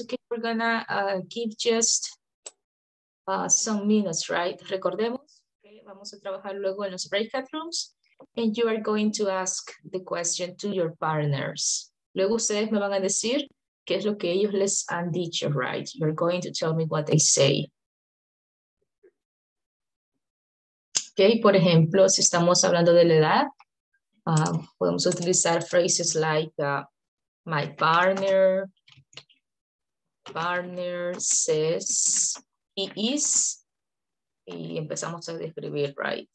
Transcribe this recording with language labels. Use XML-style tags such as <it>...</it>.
<en>Okay, we're gonna give just some minutes, right?</en> <es>Recordemos. Okay, vamos a trabajar luego en los breakout rooms.</es> <en>And you are going to ask the question to your partners.</en> <es>Luego ustedes me van a decir qué es lo que ellos les han dicho, right?</es> <en>You're going to tell me what they say.</en> <es>Okay, por ejemplo, si estamos hablando de la edad, podemos utilizar</es> <en>phrases like my partner says he is,</en> <es>y empezamos a describir, right?</es>